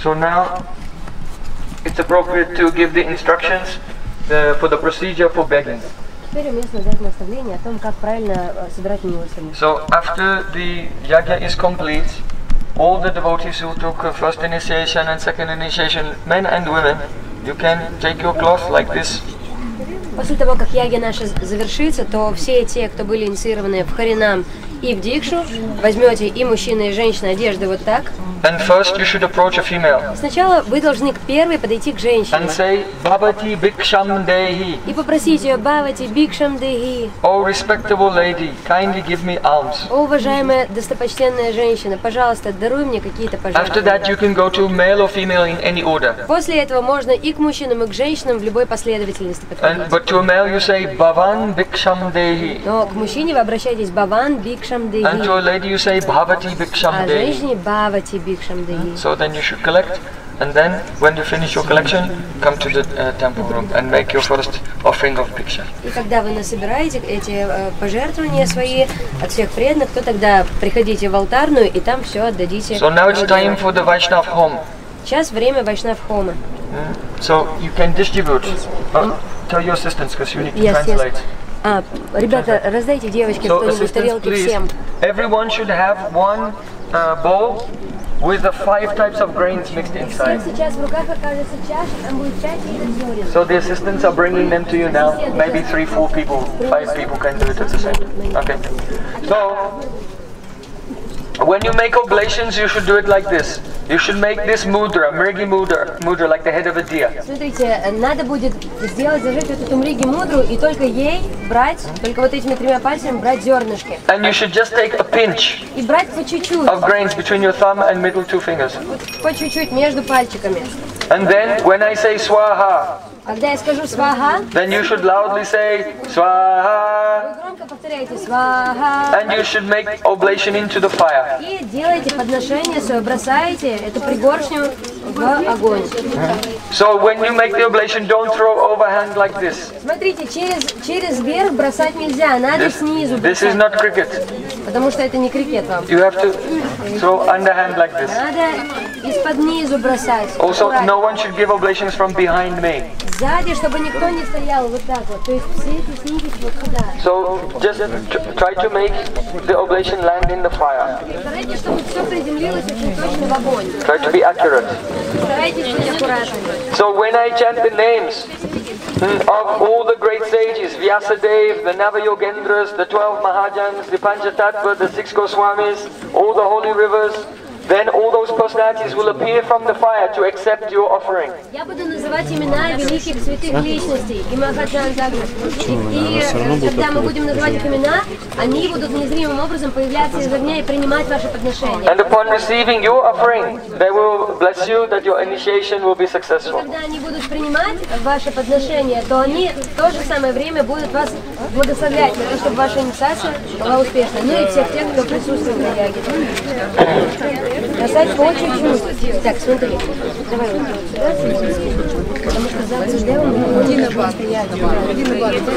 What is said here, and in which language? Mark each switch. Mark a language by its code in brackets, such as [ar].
[en] So now it's appropriate to give the instructions for the procedure for begging. [ru] Теперь уместно дать наставление о том, как правильно собирать милостыню. [en] So after the yagya is complete, all the devotees who took first initiation and second initiation, men and women, you can take your cloth like this. [ru] После того, как яги наша завершится, то все те, кто были инициированы в харинам и в дикшу, возьмете и мужчины, и женщины одежды вот так. [en] And first you should approach a female. [ru] Сначала вы должны к первой подойти к женщине. [en] And say, [sa] Бабати бикшам дейхи. [ru] И попросить ее, [sa] Бабати бикшам дейхи. [en] О, respectable lady, kindly give me alms. [ru] О, уважаемая достопочтенная женщина, пожалуйста, даруй мне какие-то пожертвования. [en] After that you can go to male or female in any order. [ru] После этого можно и к мужчинам, и к женщинам в любой последовательности подходить. [en] And, but to a male you say, [sa] Баван бикшам дейхи. [ru] Но к мужчине вы обращаетесь, [sa] Баван бикшам дейхи. [en] And to a lady you say, [sa] Бабати бикшам дейхи. [ru] А женщине, [sa] Бабати бикшам дейхи. [en] So then you should collect And then, when you finish your collection, come to the temple room and make your first offering of bhikṣa. [ru] И когда вы насобираете эти пожертвования свои от всех преданных, то тогда приходите в алтарную и там все отдадите. [en] So now it's time for the Vaishnav home. [ru] Сейчас время Vaishnav home. [en] So you can distribute. Tell your assistants, because you need to translate. [ru] А, ребята, раздайте девочке кто-нибудь тарелки всем. [en] Everyone should have one bowl with the five types of grains mixed inside. [ru] Сейчас в руках окажется чаша, там будет пять видов зерен. [en] So the assistants are bringing them to you now. Maybe 3-4 people, 5 people can do it at the same time. Okay. So when you make oblations, you should do it like this. You should make this mudra, mrigi mudra, like the head of a deer. [ru] Смотрите, надо будет сделать, зажечь вот эту мриги мудру и только ей брать, только вот этими тремя пальцами брать зернышки. [en] And you should just take a pinch. [ru] И брать по чуть-чуть. [en] Of grains between your thumb and middle two fingers. [ru] По чуть-чуть между пальчиками. [en] And then when I say swaha. [ru] Когда я скажу сваха. [en] Then you should loudly say сваха. And you should make oblation into the fire. [ru] И делайте подношение свое, бросаете эту пригоршню в огонь. [en] So when you make the oblation, don't throw overhand like this. [ru] Смотрите, через верх бросать нельзя, надо снизу бросать. [en] This is not cricket. [ru] Потому что это не крикет вам. [en] You have to throw underhand like this. [ru] Надо из-под низу бросать. [en] Also, no one should give oblations from behind me. [ru] Сзади, чтобы никто не стоял вот так вот. То есть все эти снизу вот сюда. [en] So just try to make the oblation land in the fire. [ru] Старайтесь, чтобы все приземлилось очень точно в огонь. [en] Try to be accurate. [ru] Старайтесь быть аккуратными. [en] So when I chant the names of all the great sages, Vyasadeva, the Navayogendras, the 12 Mahajans, the Panchatattva, the 6 Goswamis, all the holy rivers, then all those personalities will appear from the fire to accept your offering. [ru] Я буду называть имена великих святых личностей и Махаджан Загнаш. И когда мы будем называть их имена, они будут незримым образом появляться из огня и принимать ваше подношение. [en] And upon receiving your offering, they will bless you that your initiation will be successful. [ru] Когда они будут принимать ваше подношение, то они в то же самое время будут вас благословлять, для того, чтобы ваша инициация была успешной. Ну и всех тех, кто присутствует на яге. Касать по чуть-чуть. Так, смотри. Давай вот. Потому что завтра ждем, мы будем приятно.